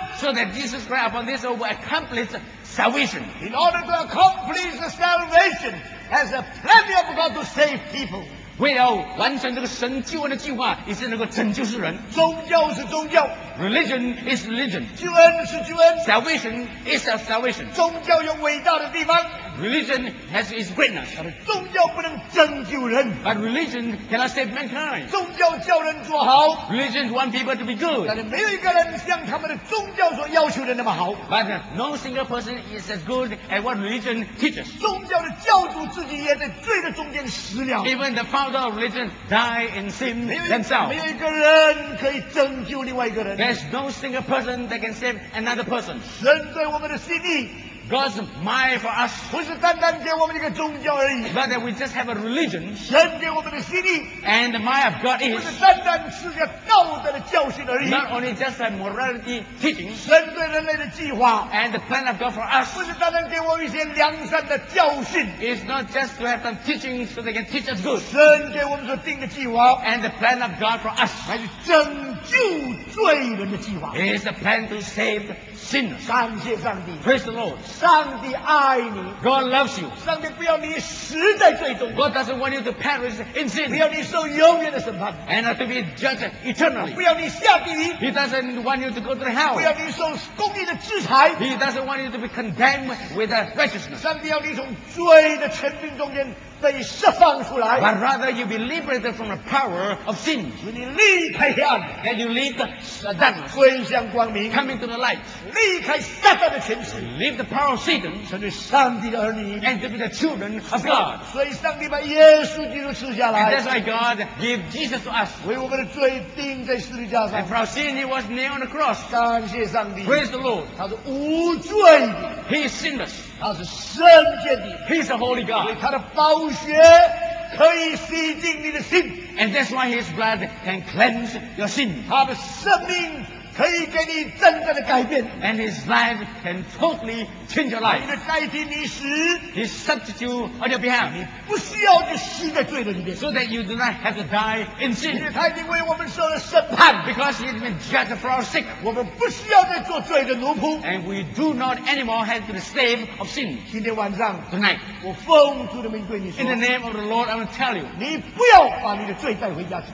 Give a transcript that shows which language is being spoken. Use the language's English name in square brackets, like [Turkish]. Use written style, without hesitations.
[English] so that Jesus Christ upon this earth will accomplish salvation. In order to accomplish the salvation, as a plan of God to save people. [Chinese] 为了完成这个神救恩的计划, 以致能够拯救世人, 宗教是宗教, [English] religion is religion, [Chinese] 救恩是救恩, [English] salvation is a salvation. [Chinese] 宗教有伟大的地方, [English] religion has its greatness, [Chinese] 宗教不能拯救人, [English] but religion cannot save mankind. [Chinese] 宗教叫人做好, [English] religion wants people to be good, [Chinese] 但是没有一个人像他们的宗教所要求的那么好, [English] but no single person is as good as what religion teaches. [Chinese] 宗教的教主自己也在罪的中间死了, [English] even the father of religion die in sin themselves. [Chinese] 没有一个人可以拯救另外一个人, [English] there's no single person that can save another person. [Chinese] 神对我们的心意, [English] God's mind for us, [Chinese] 不是单单给我们一个宗教而已, [English] but that we just have a religion, [Chinese] 神给我们的心意, [English] and the mind of God is, [Chinese] 不是单单是个道德的教训而已, [English] not only just a morality teaching, [Chinese] 神对人类的计划, [English] and the plan of God for us, [Chinese] 不是单单给我们一些良善的教训, [English] it's not just to have some teaching so they can teach us good, [Chinese] 神给我们所定的计划, [English] and the plan of God for us, [Chinese] 还是拯救罪人的计划, [English] it's the plan to save sinners. [Chinese] 感谢上帝, [English] praise the Lord. [Chinese] 上帝爱你, [English] God loves you. [Chinese] 上帝不要你死在罪中, [English] God doesn't want you to perish in sin. [Chinese] 不要你受永远的审判, [English] and to be judged eternally. [Chinese] 不要你下地狱, [English] he doesn't want you to go to hell. [Chinese] 不要你受公义的制裁, [English] he doesn't want you to be condemned with righteousness. [Chinese] 上帝要你从罪的权柄中间, [English] but rather you be liberated from the power of sin, that you leave the darkness, coming to the light, leave the power of Satan, and to be the children of God. And that's why God gave Jesus to us, and for our sin he was nailed on the cross. Praise the Lord. He is sinless, [Chinese] 他是圣洁的, [English] he is a holy God. [Chinese] 所以他的宝血可以洗净你的心, [English] and that's why his blood can cleanse your sin. [Chinese] 他的生命可以给你真正的改变, [English] and his life can totally change your life. [Chinese] 你的代替你死, [English] his substitute on your behalf. [Chinese] 你不需要去死在罪的里面, [English] so that you do not have to die in sin. [Chinese] 因为他已经为我们受了审判, [English] because he has been judged for our sake. [Chinese] 我们不需要再做罪的奴仆, [English] and we do not anymore have to be slave of sin. [Chinese] 今天晚上, [English] tonight, [Chinese] 我奉主的名对你说, [English] in the name of the Lord, I will tell you, [Chinese] 你不要把你的罪带回家去,